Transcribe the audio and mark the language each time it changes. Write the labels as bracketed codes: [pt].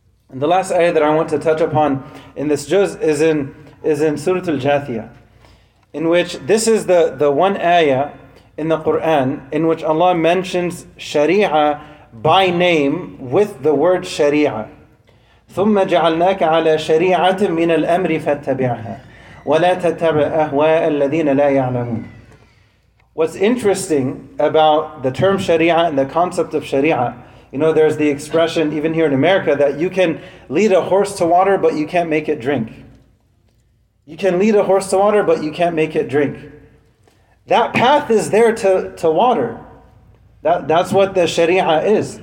[en] And the last ayat that I want to touch upon in this juz is in Surah Al-Jathiyah, in which this is the one ayah in the Quran in which Allah mentions Sharia by name with the word Sharia. [ar] ثم جعلناك على شريعة من الأمر فاتبعها ولا تتبع أهواء الذين لا يعلمون. [en] What's interesting about the term Sharia and the concept of Sharia, you know, there's the expression even here in America that you can lead a horse to water, but you can't make it drink. You can lead a horse to water, but you can't make it drink. That path is there to water. That's what the Sharia is.